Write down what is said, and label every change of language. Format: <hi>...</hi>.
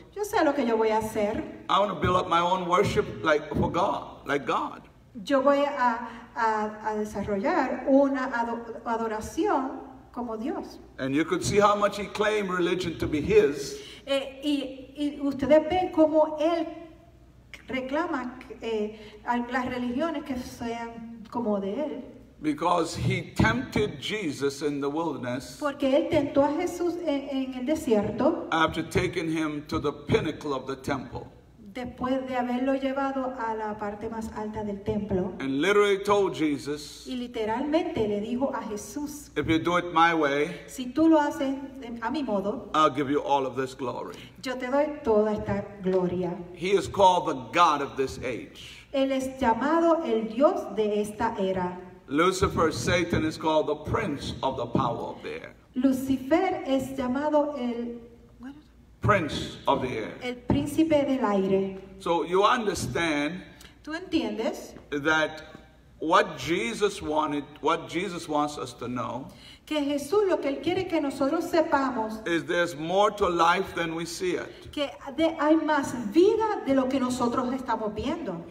<es>Yo sé lo que yo voy a hacer.</es> <en>I want to build up my own worship like for God, like God.</en> <es>Yo voy a desarrollar una adoración como Dios.</es> <en>And you could see how much he claimed religion to be his.</en> <es>Y ustedes ven cómo él reclama las religiones que sean como de él.</es> <en>Because he tempted Jesus in the wilderness.</en> <es>Porque él tentó a Jesús en el desierto.</es> <en>After taking him to the pinnacle of the temple.</en> <es>Después de haberlo llevado a la parte más alta del templo.</es> <en>And literally told Jesus.</en> <es>Y literalmente le dijo a Jesús.</es> <en>If you do it my way.</en> <es>Si tú lo haces a mi modo.</es> <en>I'll give you all of this glory.</en> <es>Yo te doy toda esta gloria.</es> <en>He is called the God of this age.</en> <es>Él es llamado el Dios de esta era.</es> <en>Lucifer, Satan, is called the prince of the power of the air.</en> <es>Lucifer es llamado el</es> <en>prince of the air.</en> <es>El príncipe del aire.</es> <en>So you understand,</en> <es>¿tú entiendes?</es> <en>That what Jesus wanted, what Jesus wants us to know,</en> <es>que Jesús, lo que él quiere que nosotros sepamos,</es> <en>is there's more to life than we see it.</en> <es>Que hay más vida de lo que nosotros estamos viendo.</es>